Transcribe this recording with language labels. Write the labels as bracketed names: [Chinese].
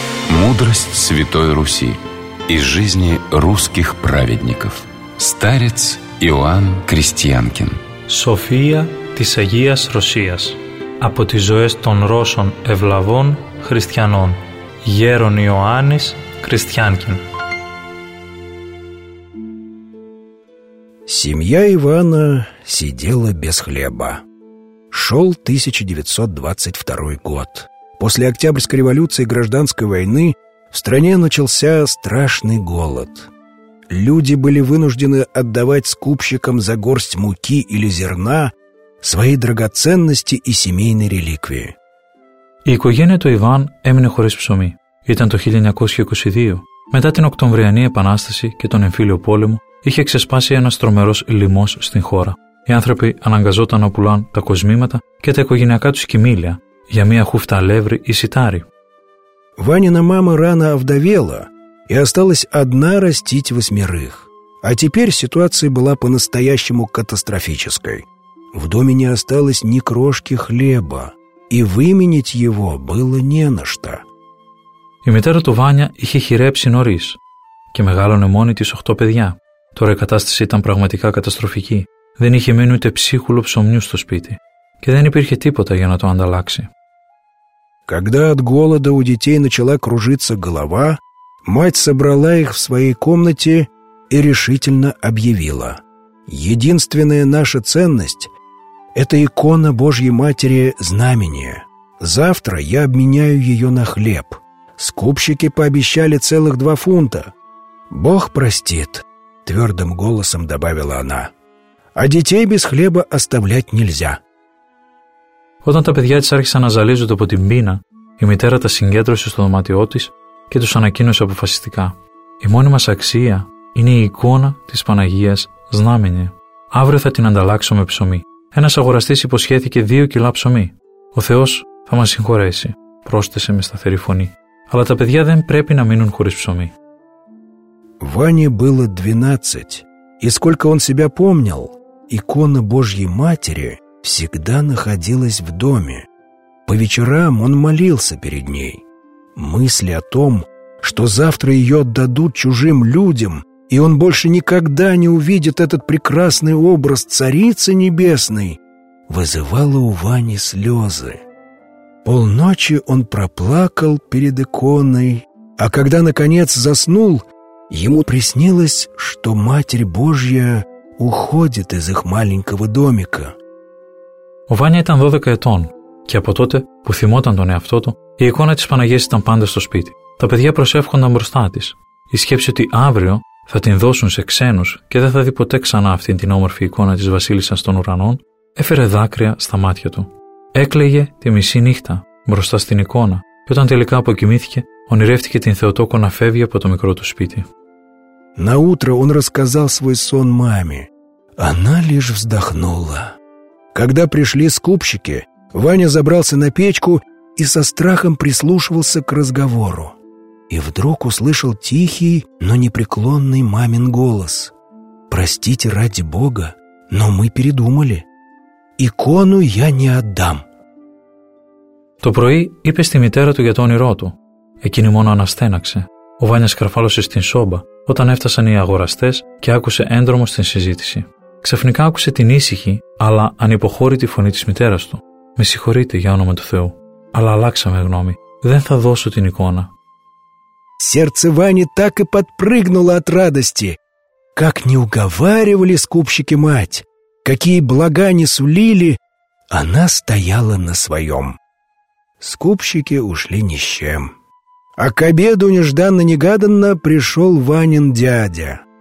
[Russian] Мудрость Святой Руси из жизни русских праведников. Старец Иоанн Крестьянкин. [Greek] София тис Агиас Русиас. Από τις ζωές των Ρώσων ευλαβών χριστιανών. Γέρον Ιωάννης Κριστιάνκιν. [Russian] Семья Ивана сидела без хлеба. Шел 1922 год. После Октябрьской революции и гражданской войны в стране начался страшный голод. Люди были вынуждены отдавать скупщикам за горсть муки или зерна свои драгоценности и семейные реликвии. [Greek] Η οικογένεια του Ιβάν έμεινε χωρίς ψωμί. Ήταν το 1922. Μετά την Οκτωβριανή Επανάσταση και τον εμφύλιο πόλεμο, είχε ξεσπάσει ένας τρομερός λοιμός στην χώρα. Οι άνθρωποι αναγκαζόταν να πουλάν τα κοσμήματα και τα οικογενειακά τους κοιμήλια για μια χούφτα αλεύρι ή σιτάρι. [Russian] Ванина мама рано овдовела и осталась одна растить восьмерых. А теперь ситуация была по-настоящему катастрофической. В доме не осталось ни крошки хлеба, и выменять его было не на что. [Greek] Η μητέρα του Βάνια είχε χειρέψει νωρίς και μεγάλωνε μόνη της 8 παιδιά. Τώρα η κατάσταση ήταν πραγματικά καταστροφική. Δεν είχε μείνει ούτε ψίχουλο ψωμιού στο σπίτι και δεν υπήρχε τίποτα για να το ανταλλάξει. [Russian] Когда от голода у детей начала кружиться голова, мать собрала их в своей комнате и решительно объявила: «Единственная наша ценность – это икона Божьей Матери Знамение. Завтра я обменяю ее на хлеб. Скупщики пообещали целых 2 фунта. Бог простит», – твердым голосом добавила она. «А детей без хлеба оставлять нельзя». [Greek] Όταν τα παιδιά της άρχισαν να ζαλίζονται από την πείνα, η μητέρα τα συγκέντρωσε στο δωμάτιό της και τους ανακοίνωσε αποφασιστικά: «Η μόνη μας αξία είναι η εικόνα της Παναγίας Знамение. Αύριο θα την ανταλλάξω με ψωμί. Ένας αγοραστής υποσχέθηκε 2 κιλά ψωμί. Ο Θεός θα μας συγχωρέσει», πρόσθεσε με σταθερή φωνή. «Αλλά τα παιδιά δεν πρέπει να μείνουν χωρίς ψωμί». [Russian] Ване было 12, и сколько он себя помнил, икона Божьей Матери всегда находилась в доме. По вечерам он молился перед ней. Мысли о том, что завтра ее отдадут чужим людям, и он больше никогда не увидит этот прекрасный образ Царицы Небесной, вызывала у Вани слезы. Полночи он проплакал перед иконой, а когда, наконец, заснул, ему приснилось, что Матерь Божья уходит из их маленького домика. [Greek] Ο Βάνια ήταν 12 ετών και από τότε που θυμόταν τον εαυτό του, η εικόνα της Παναγίας ήταν πάντα στο σπίτι. Τα παιδιά προσεύχονταν μπροστά της. Η σκέψη ότι αύριο θα την δώσουν σε ξένους και δεν θα δει ποτέ ξανά αυτήν την όμορφη εικόνα της Βασίλισσας των Ουρανών έφερε δάκρυα στα μάτια του. Έκλαιγε τη μισή νύχτα μπροστά στην εικόνα και όταν τελικά αποκοιμήθηκε, ονειρεύτηκε την Θεοτόκο να φεύγει από το μικρό του σπίτι. [Russian] На утро он рассказал свой сон маме. Она лишь вздохнула. Когда пришли скупщики, Ваня забрался на печку и со страхом прислушивался к разговору. И вдруг услышал тихий, но непреклонный мамин голос. «Простите ради Бога, но мы передумали. Икону я не отдам». [Greek] То пруи είπε στη μητέρα του για το όνειρό του. Εκείνη μόνο αναστέναξε. Ο Ваня σκαρφάλωσε στην σόμπα όταν έφτασαν οι αγοραστές και άκουσε έντρομο στην συζήτηση. Ξαφνικά άκουσε την ήσυχη, αλλά ανυποχώρητη φωνή της μητέρας του. «Με συγχωρείτε για όνομα του Θεού, αλλά αλλάξαμε γνώμη. Δεν θα δώσω την εικόνα». [Russian] Сердце Вани так и подпрыгнуло от радости. Как не уговаривали скупщики мать, какие блага не сулили, она стояла на своем. Скупщики ушли ни с чем. А к обеду нежданно-негаданно пришел Ванин дядя.